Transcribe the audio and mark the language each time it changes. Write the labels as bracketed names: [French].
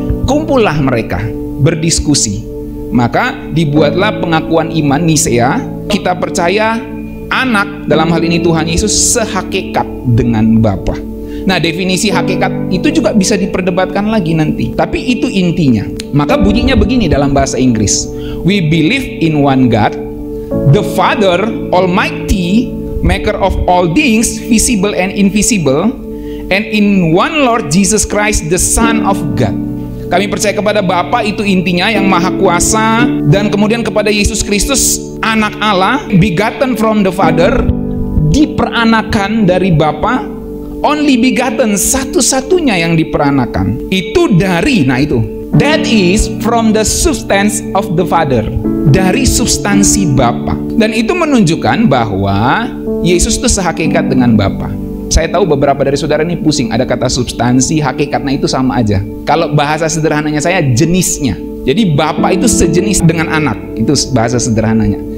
[Indonesian] Kumpullah mereka, berdiskusi. Maka dibuatlah pengakuan iman Nicea, kita percaya Anak, dalam hal ini Tuhan Yesus, sehakikat dengan Bapa. Nah, definisi hakikat itu juga bisa diperdebatkan lagi nanti. Tapi itu intinya. Maka bunyinya begini dalam bahasa Inggris. [English] We believe in one God, the Father, Almighty, maker of all things, visible and invisible, and in one Lord Jesus Christ, the Son of God. [Indonesian] Kami percaya kepada Bapa, itu intinya, yang Maha Kuasa, dan kemudian kepada Yesus Kristus, Anak Allah, [English] begotten from the Father, [Indonesian] diperanakan dari Bapa, [English] only begotten, [Indonesian] satu-satunya yang diperanakan. Itu dari, nah itu. [English] That is from the substance of the Father. [Indonesian] Dari substansi Bapa. Dan itu menunjukkan bahwa Yesus itu sehakikat dengan Bapa. Saya tahu beberapa dari saudara ini pusing, ada kata substansi, hakikat, nah itu sama aja. Kalau bahasa sederhananya saya, jenisnya. Jadi Bapa itu sejenis dengan Anak, itu bahasa sederhananya.